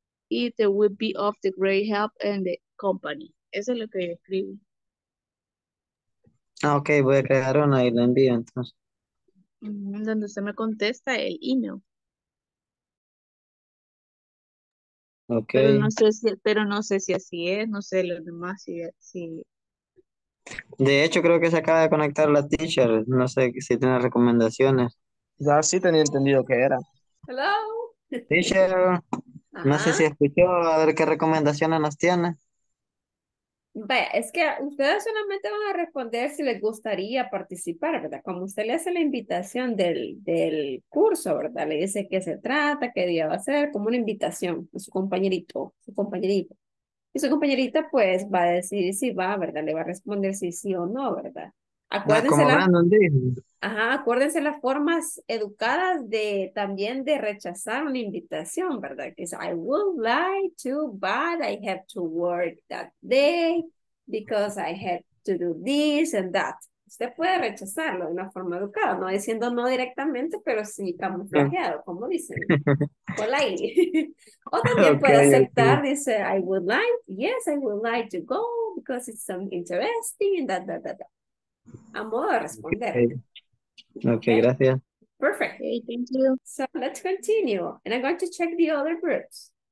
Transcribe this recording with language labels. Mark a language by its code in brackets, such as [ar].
[en] It would be of the great help and the company. [es] Eso es lo que yo escribí. Ah, ok, voy a crear una y la envío entonces. Donde usted me contesta el email. Ok. Pero no sé si así es, no sé los demás si. De hecho, creo que se acaba de conectar la teacher. No sé si tiene recomendaciones. Ya sí tenía entendido que era. [en] Hello. Teacher. Uh-huh. [es] No sé si escuchó, a ver qué recomendaciones nos tiene. Vaya, es que ustedes solamente van a responder si les gustaría participar, ¿verdad? Como usted le hace la invitación del curso, ¿verdad? Le dice qué se trata, qué día va a ser, como una invitación a su compañerito. Y su compañerita, pues, va a decir si va, ¿verdad? Le va a responder si sí o no, ¿verdad? Acuérdense, acuérdense las formas educadas de rechazar una invitación, ¿verdad? Que es, [en] I would like to, but I have to work that day because I have to do this and that. [es] Usted puede rechazarlo de una forma educada, no diciendo no directamente, pero sí camuflajeado, como dicen. Hola. O también puede aceptar, dice, [en] I would like to go because it's something interesting and that, that, that, that. [es] A modo de responder. [en] Okay, gracias. Perfect. Okay, thank you. So let's continue. And I'm going to check the other groups.